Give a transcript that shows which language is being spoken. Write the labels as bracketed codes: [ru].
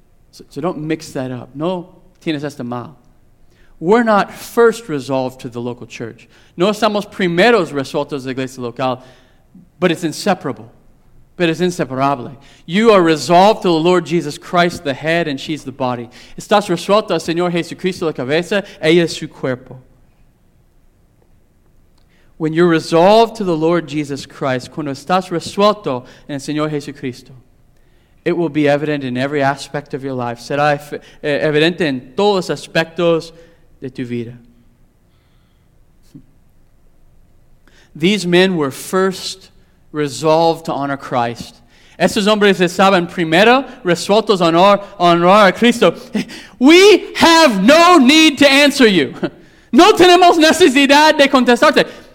[en] So don't mix that up. [es] No tienes esto mal. [en] We're not first resolved to the local church. [es] No estamos primeros resueltos de la iglesia local, [en] but it's inseparable. But it's inseparable. You are resolved to the Lord Jesus Christ, the head, and she's the body. [es] Estás resuelto al Señor Jesucristo, la cabeza, ella es su cuerpo. [en] When you're resolved to the Lord Jesus Christ, [es] cuando estás resuelto en el Señor Jesucristo, [en] it will be evident in every aspect of your life. [es] Será evidente en todos los aspectos de tu vida. [en] These men were first resolved to honor Christ. [es] Estos hombres estaban primero resueltos a honrar a Cristo. [en] We have no need to answer you. [es] No tenemos necesidad de contestarte.